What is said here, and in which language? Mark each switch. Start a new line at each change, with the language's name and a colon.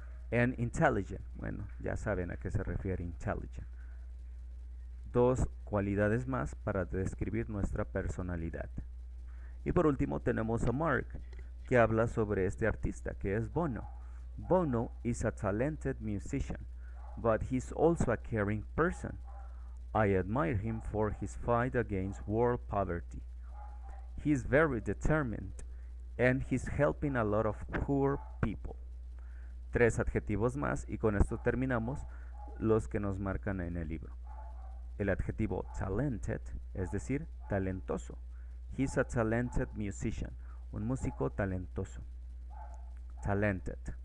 English: And intelligent,
Spanish: bueno, ya saben a qué se refiere intelligent. Dos cualidades más para describir nuestra personalidad. Y por último tenemos a Mark, que habla sobre este artista, que es Bono.
English: Bono is a talented musician, but he's also a caring person. I admire him for his fight against world poverty. He's very determined and he's helping a lot of poor people.
Spanish: Tres adjetivos más y con esto terminamos los que nos marcan en el libro. El adjetivo talented, es decir, talentoso.
English: He's a talented musician,
Spanish: un músico talentoso.
English: Talented.